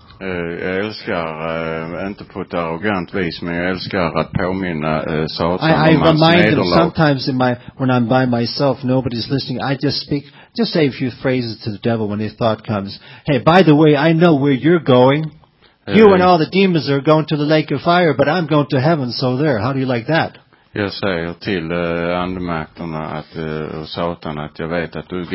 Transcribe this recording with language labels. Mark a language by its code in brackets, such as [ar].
[sv] Jag älskar inte på ett arrogant vis, men jag älskar att påminna Satan om hans nederlag. [en] I remind them sometimes in my when I'm by myself, nobody's listening. I just speak, just say a few phrases to the devil when his thought comes. Hey, by the way, I know where you're going. You and all the demons are going to the lake of fire, but I'm going to heaven. So there, how do you like that? [sv] Jag säger till andemakterna att och Satan att jag vet att du går